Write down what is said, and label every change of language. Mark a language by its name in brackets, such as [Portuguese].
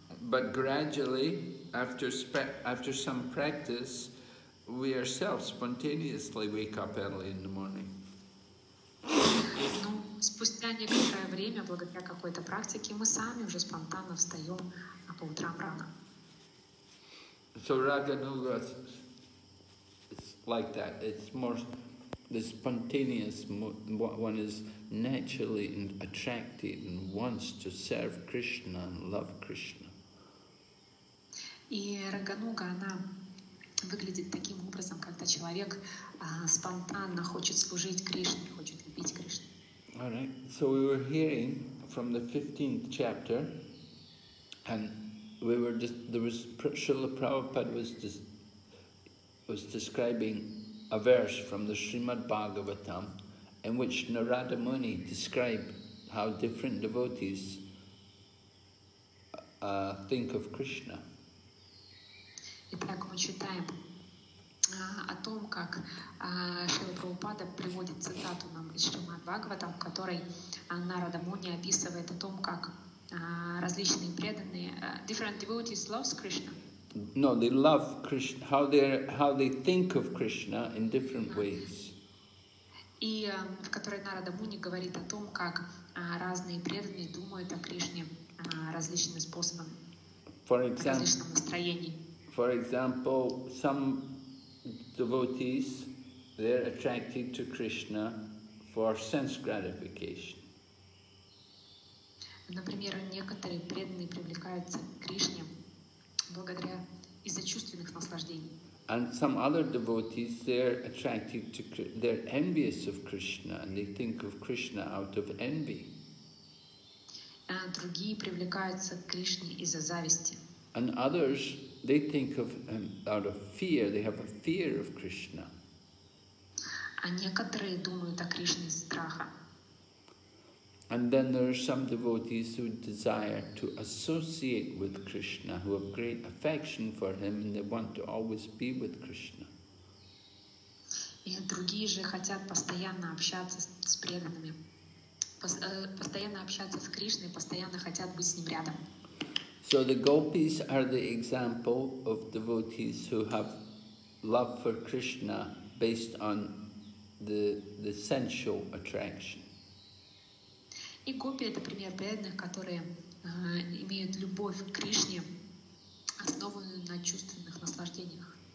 [English] But gradually, after some practice, we ourselves spontaneously wake up early in the morning. [Russian] Спустя некоторое время, благодаря какой-то практике, мы сами уже спонтанно встаем по утрам рано. [English] So Raganuga is like that. It's more the spontaneous one is naturally attracted and wants to serve Krishna and love Krishna. [Russian] И Рагануга, она выглядит таким образом, когда человек спонтанно хочет служить Кришне, хочет любить Кришну. [English] All right. So we were hearing from the 15th chapter, and Srila Prabhupada was describing a verse from the Srimad Bhagavatam, in which Narada Muni described how different devotees think of Krishna. [Russian] Итак, мы читаем о том, как Шрила Прабхупада приводит цитату нам из Шримад Бхагаватам, в которой Нарада Муни описывает о том, как различные преданные, [English] different devotees loves Krishna. No, they love Krishna. How they think of Krishna in different ways. [Russian] И в которой Нарада Муни говорит о том, как разные преданные думают о Кришне различными способами, различным настроением. [English] For example, some devotees, they're attracted to Krishna for sense gratification. [Russian] Например, некоторые преданные привлекаются к Кришне благодаря из-за чувственных наслаждений. [English] And some other devotees, they're envious of Krishna, and they think of Krishna out of envy. [Russian] Другие привлекаются к Кришне из-за зависти. [English] And others, they think of out of fear. They have a fear of Krishna. [Russian] А некоторые думают о Кришне из страха. [English] And then there are some devotees who desire to associate with Krishna, who have great affection for him, and they want to always be with Krishna. [Russian] И другие же хотят постоянно общаться с преданными, постоянно общаться с Кришной, постоянно хотят быть с ним рядом. [English] So the gopis are the example of devotees who have love for Krishna based on the sensual attraction. [Russian] И гопи — это пример преданных, которые имеют любовь к Кришне, основанную на чувственных наслаждениях.